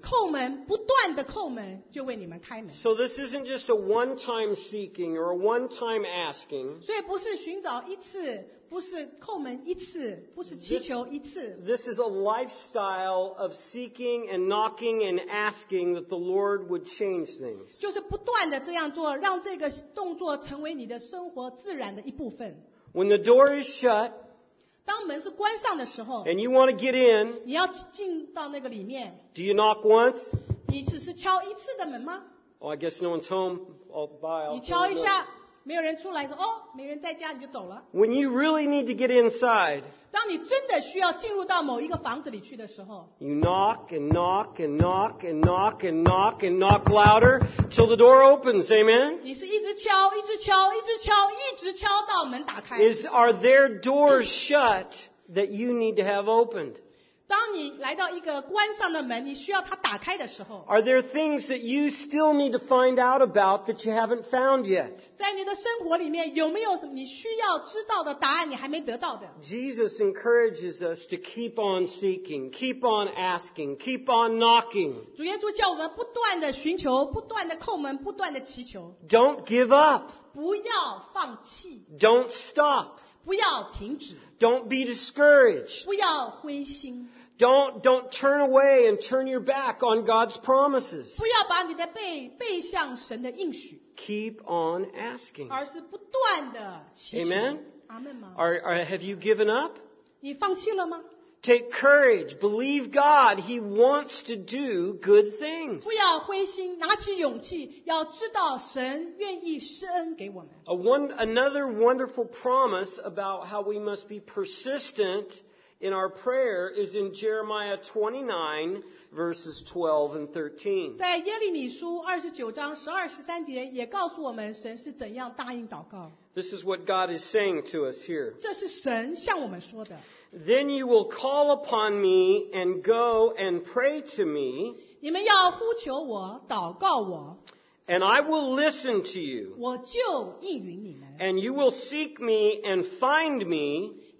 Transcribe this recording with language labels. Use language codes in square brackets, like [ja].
[zh] 叩门不断的叩门就为你们开门。 [en] So this isn't just a one-time seeking or a one-time asking. [zh] 所以不是寻找一次不是叩门一次不是祈求一次。 [en] This is a lifestyle of seeking and knocking and asking that the Lord would change things. [zh] 就是不断的这样做让这个动作成为你的生活自然的一部分。 [en] When the door is shut, [zh] 当门是关上的时候 [en] and you want to get in, [zh] 你要进到那个里面。 [en] Do you knock once? [zh] 你只是敲一次的门吗? [en] Oh, I guess no one's home. I'll buy. [zh] 你敲一下。没有人出来说哦，没人在家你就走了。 [en] When you really need to get inside, [zh] 当你真的需要进入到某一个房子里去的时候， [en] you knock and knock and knock and knock and knock and knock louder till the door opens, amen? [zh] 你是一直敲，一直敲，一直敲，一直敲到门打开。 [en] Are there doors shut that you need to have opened? [zh] 当你来到一个关上的门，你需要它打开的时候。 [en] Are there things that you still need to find out about that you haven't found yet? [zh] 在你的生活里面，有没有什么你需要知道的答案你还没得到的？ [en] Jesus encourages us to keep on seeking, keep on asking, keep on knocking. [zh] 主耶稣叫我们不断的寻求，不断的叩门，不断的祈求。 [en] Don't give up. [zh] 不要放弃。 [en] Don't stop. [zh] 不要停止。 [en] Don't be discouraged. [zh] 不要灰心。 [en] Don't turn away and turn your back on God's promises. [zh] 不要把你的背向神的应许。 [en] Keep on asking. [zh] 而是不断的祈求。 [en] Amen. Amen. Have you given up? [zh] 你放弃了吗？ [en] Take courage. Believe God. He wants to do good things. [zh] 不要灰心，拿起勇气，要知道神愿意施恩给我们。 [en] Another wonderful promise about how we must be persistent in our prayer is in Jeremiah 29, verses 12 and 13. [zh] 在耶利米书29章12、13节也告诉我们神是怎样答应祷告。 [en] This is what God is saying to us here. [zh] 这是神向我们说的。 [en] Then you will call upon me and go and pray to me. [zh] 你们要呼求我，祷告我。 [en] And I will listen to you. [zh] 我就应允你们。 [en] And you will seek me and find me.